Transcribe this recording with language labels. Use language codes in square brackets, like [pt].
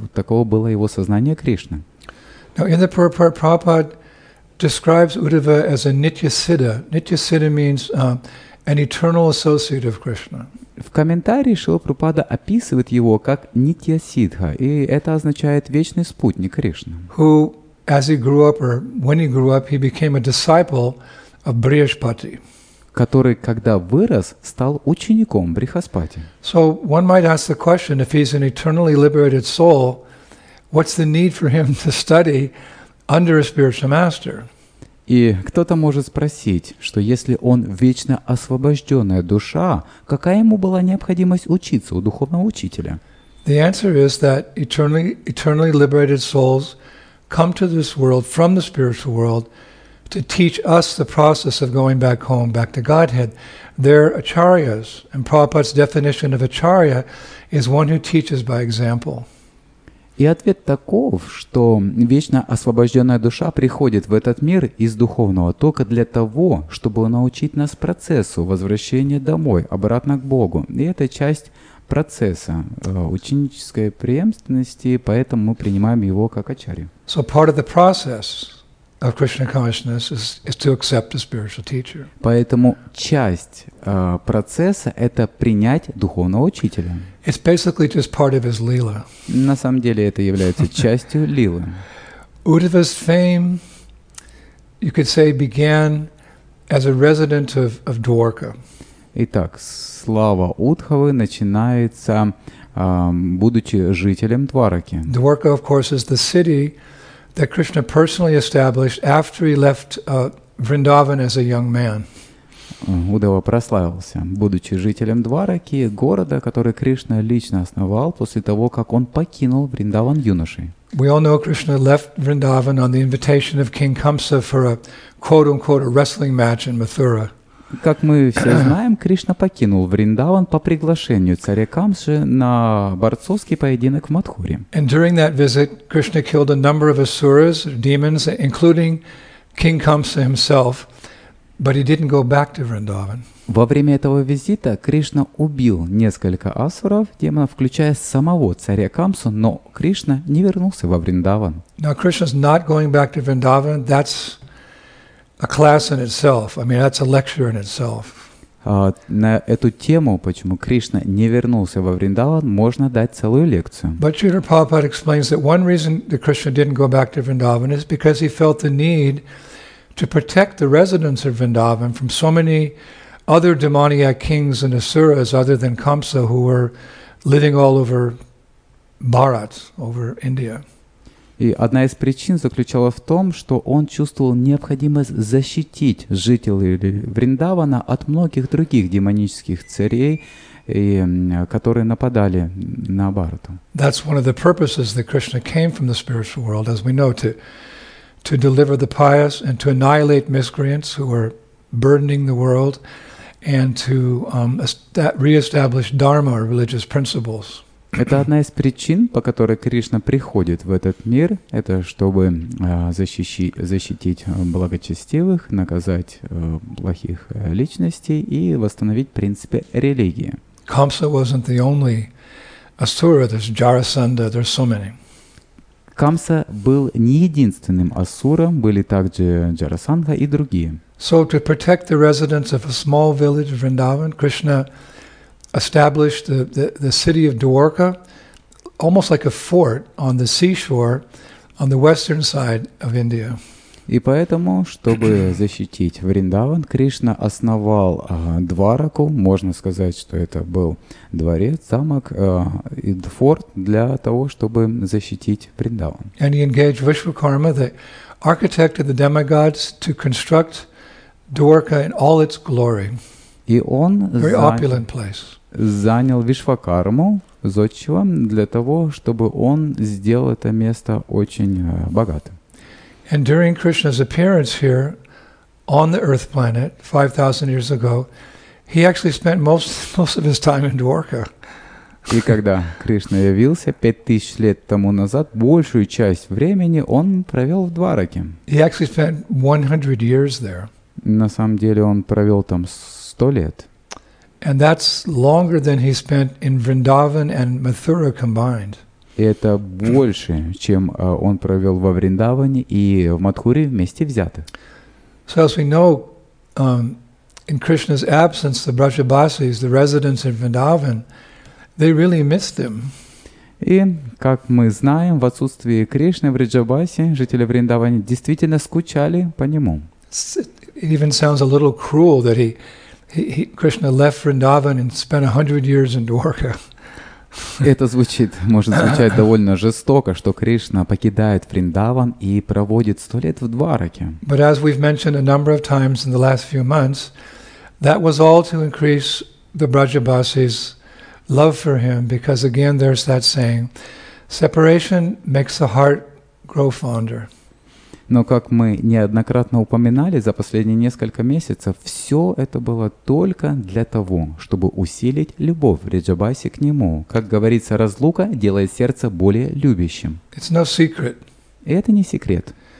[ru] Вот такого было его сознание Кришны. [en] Now, in the purport, Prabhupada describes Uddhava as a nitya-siddha. Nitya-siddha means an eternal associate of Krishna. [ru] В комментарии Шрила Прабхупада описывает его как нитья-сиддха, и это означает вечный спутник Кришны. [en] Who, as he grew up, or when he grew up, he became a disciple of Brihaspati. [ru] Который, когда вырос, стал учеником Брихаспати. [en] So one might ask the question, if he's an eternally liberated soul, what's the need for him to study under a spiritual master? [ru] И кто-то может спросить, что если он вечно освобожденная душа, какая ему была необходимость учиться у духовного учителя? [en] The answer is that eternally liberated souls come to this world from the spiritual world to teach us the process of going back home, back to Godhead. They're acharyas, and Prabhupada's definition of acharya is one who teaches by example. [ru] И ответ таков, что вечно освобожденная душа приходит в этот мир из духовного тока для того, чтобы научить нас процессу возвращения домой, обратно к Богу. И это часть процесса ученической преемственности, поэтому мы принимаем его как ачарью. [en] So part of the process of Krishna consciousness is to accept a spiritual teacher. [ru] Поэтому часть процесса – это принять духовного учителя. [en] It's basically just part of his lila. [ru] На самом деле это является частью лилы. [en] Uddhava's fame, you could say, began as a resident of Dwarka. [ru] Итак, слава Удхавы начинается, будучи жителем Двараки. [en] Dwarka, of course, is the city that Krishna personally established after he left Vrindavan as a young man. [ru] Удава прославился, будучи жителем Двараки, города, который Кришна лично основал после того, как он покинул Вриндаван юношей. [en] We all know Krishna left Vrindavan on the invitation of King Kamsa for a quote-unquote wrestling match in Mathura. [ru] Как мы все знаем, Кришна покинул Вриндаван по приглашению царя Камсы на борцовский поединок в Матхуре. [en] And during that visit, Krishna killed a number of asuras, demons, including King Kamsa himself, but he didn't go back to Vrindavan. [ru] Во время этого визита Кришна убил несколько асуров, демонов, включая самого царя Камсу, но Кришна не вернулся во Вриндаван. [en] Now Krishna's not going back to Vrindavan. That's a class in itself. I mean, that's a lecture in itself. [ru] На эту тему, почему Кришна не вернулся во Вриндаван, можно дать целую лекцию. [en] But Srila Prabhupada explains that one reason that Krishna didn't go back to Vrindavan is because he felt the need to protect the residents of Vrindavan from so many other demoniac kings and asuras other than Kamsa who were living all over Bharat, over India. [ru] И одна из причин заключалась в том, что он чувствовал необходимость защитить жителей Вриндавана от многих других демонических царей, которые нападали на Бхарату. [en] That's one of the purposes that Krishna came from the spiritual world, as we know, to deliver the pious and to annihilate miscreants who were burdening the world and to reestablish dharma or religious principles. [ru] Это одна из причин, по которой Кришна приходит в этот мир. Это чтобы защитить благочестивых, наказать плохих личностей и восстановить принципы религии. [en] Камса wasn't the only asura. There's Jarasandha. There's so many. [ru] Камса был не единственным асуром. Были также Джарасандха и другие. [en] So to protect the residents of a small village of Vrindavan, Krishna established the city of Dwarka, almost like a fort on the seashore, on the western side of India. [ru] И поэтому, чтобы защитить Вриндаван, Кришна основал Двараку, можно сказать, что это был дворец, замок и форт для того, чтобы защитить Вриндаван. [en] And he engaged Vishwakarma, the architect of the demigods, to construct Dwarka in all its glory. [ru] И он [en] very opulent place. [ru] Занял Вишвакарму, зодчего, для того, чтобы он сделал это место очень богатым. [en] And during Krishna's appearance here on the Earth planet 5,000 years ago, he actually spent most of his time in Dwarka. [ru] И когда Кришна явился 5000 лет тому назад, большую часть времени он провел в Двараке. [en] He actually spent 100 years there. [ru] На самом деле он провел там 100 лет. [en] And that's longer than he spent in Vrindavan and Mathura combined. [ru] Это больше, чем он провел во Вриндаване и в Матхуре вместе взятых. [en] So as we know, in Krishna's absence, the Brajabasis, the residents in Vrindavan, they really missed him. [ru] И, как мы знаем, в отсутствии Кришны в Бриджабасе жители Вриндавана действительно скучали по нему. [en] It even sounds a little cruel that he Krishna left Vrindavan and spent 100 years in Dwarka. [ru] Это звучит, может звучать довольно жестоко, что Кришна покидает Вриндаван и проводит 100 лет в Двараке. [en] But as we've mentioned a number of times in the last few months, that was all to increase the Brajabasis' love for him, because again there's that saying, separation makes the heart grow fonder. [ru] Но, как мы неоднократно упоминали за последние несколько месяцев, все это было только для того, чтобы усилить любовь Вриджабаси к нему. Как говорится, разлука делает сердце более любящим. [en] It's no secret. [ru] И это не секрет.